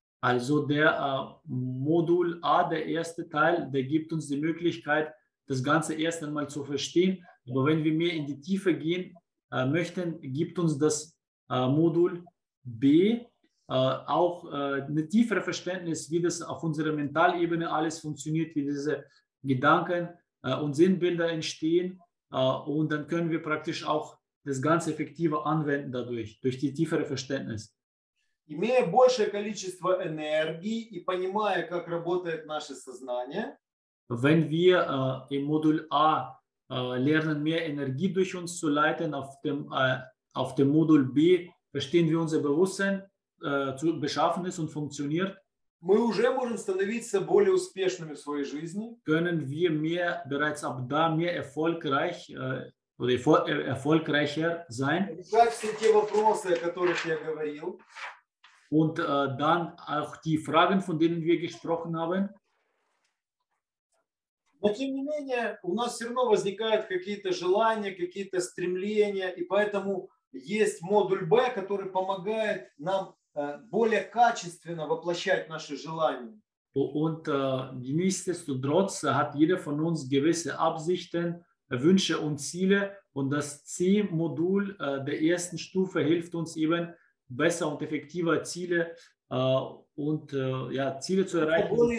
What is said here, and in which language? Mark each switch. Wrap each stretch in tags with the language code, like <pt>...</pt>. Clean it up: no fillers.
<de>Also der Modul A, der erste Teil, der gibt uns die Möglichkeit, das Ganze erst einmal zu verstehen. Aber wenn wir mehr in die Tiefe gehen möchten, gibt uns das Modul B auch eine tiefere Verständnis, wie das auf unserer Mentalebene alles funktioniert, wie diese Gedanken und Sinnbilder entstehen. Und dann können wir praktisch auch das Ganze effektiver anwenden dadurch, durch die tiefere Verständnis.</de> <ru>Имея большее количество энергии и понимая, как работает наше сознание,</ru> <de>wenn wir im Modul A lernen, mehr Energie durch uns zu leiten, auf dem Modul B verstehen wir unser Bewusstsein zu beschaffen ist und funktioniert,</de> <ru>мы уже можем становиться более успешными в своей жизни,</ru> <de>können wir mehr, bereits ab da mehr erfolgreich oder erfolgreicher sein,</de> <ru>все те вопросы, о которых я говорил,</ru> <de>und dann auch die Fragen, von denen wir gesprochen haben.</de> <ru>Но тем не менее, у нас все равно возникают какие-то желания, какие-то стремления, и поэтому есть модуль Б, который помогает нам более качественно воплощать наши желания.</ru> <de>Und nichtsdestotrotz hat jeder von uns gewisse Absichten, Wünsche und Ziele, und das C-Modul der ersten Stufe hilft uns eben, besser und effektiver Ziele und ja, Ziele zu erreichen.</de>